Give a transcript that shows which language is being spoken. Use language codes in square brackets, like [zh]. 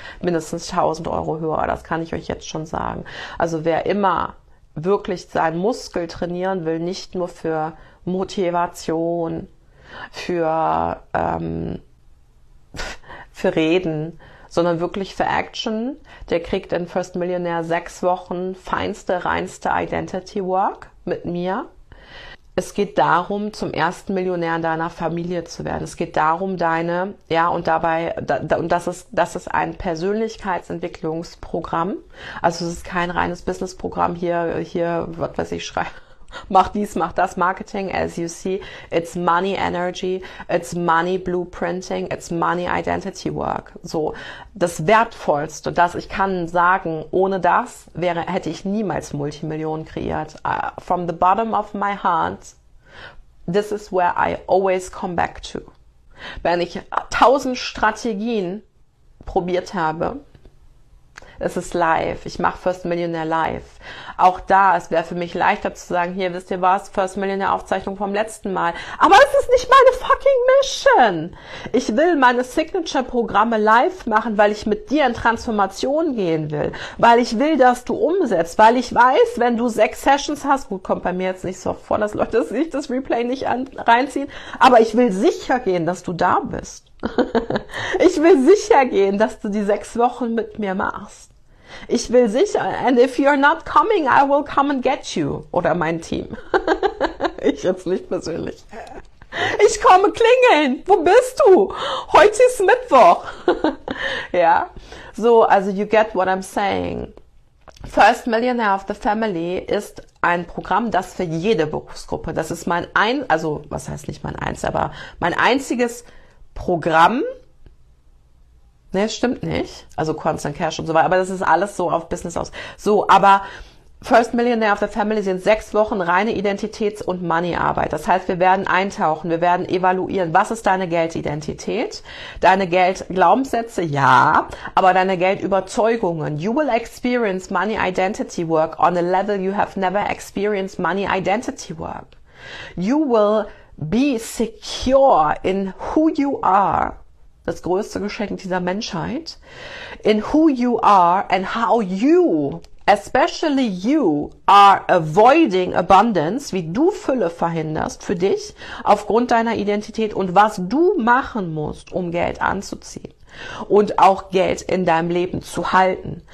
[de] Mindestens 1.000 Euro höher. Das kann ich euch jetzt schon sagen. Also wer immer wirklich seinen Muskel trainieren will, nicht nur für Motivation, für Reden, sondern wirklich für Action, der kriegt in First Millionaire 6 Wochen feinste, reinste Identity Work mit mir. Es geht darum, zum ersten Millionär in deiner Familie zu werden. Es geht darum, deine, ja, und dabei, und das ist ein Persönlichkeitsentwicklungsprogramm. Also es ist kein reines Businessprogramm hier, was weiß ich, schreibe. Mach dies, mach das, [en] Marketing, as you see, it's money energy, it's money blueprinting, it's money identity work. [de] So, das Wertvollste, das ich kann sagen, ohne das hätte ich niemals Multimillionen kreiert. [en] From the bottom of my heart, this is where I always come back to. [de] Wenn ich 1.000 Strategien probiert habe, es ist live. Ich mache First Millionaire live. Auch da, es wäre für mich leichter zu sagen, hier, wisst ihr was, First Millionaire Aufzeichnung vom letzten Mal. Aber es ist nicht meine fucking Mission. Ich will meine Signature-Programme live machen, weil ich mit dir in Transformation gehen will. Weil ich will, dass du umsetzt. Weil ich weiß, wenn du 6 Sessions hast, gut, kommt bei mir jetzt nicht so vor, dass Leute sich das Replay nicht reinziehen. Aber ich will sicher gehen, dass du da bist. Ich will sicher gehen, dass du die 6 Wochen mit mir machst. Ich will sicher, [en] and if you're not coming, I will come and get you. [de] Oder mein Team. Ich jetzt nicht persönlich. Ich komme klingeln. Wo bist du? Heute ist Mittwoch. Ja. [en] So, also you get what I'm saying. [de] First Millionaire of the Family ist ein Programm, das für jede Berufsgruppe. Das ist mein einziges Programm, ne, stimmt nicht, also Constant Cash und so weiter, aber das ist alles so auf Business aus. So, aber First Millionaire of the Family sind 6 Wochen reine Identitäts- und Money-Arbeit. Das heißt, wir werden eintauchen, wir werden evaluieren, was ist deine Geldidentität, deine Geldglaubenssätze, ja, aber deine Geldüberzeugungen. [en] You will experience Money Identity Work on a level you have never experienced Money Identity Work. You will be secure in who you are, [de] das größte Geschenk dieser Menschheit, [en] in who you are and how you, especially you, are avoiding abundance, [de] wie du Fülle verhinderst für dich aufgrund deiner Identität und was du machen musst, um Geld anzuziehen und auch Geld in deinem Leben zu halten.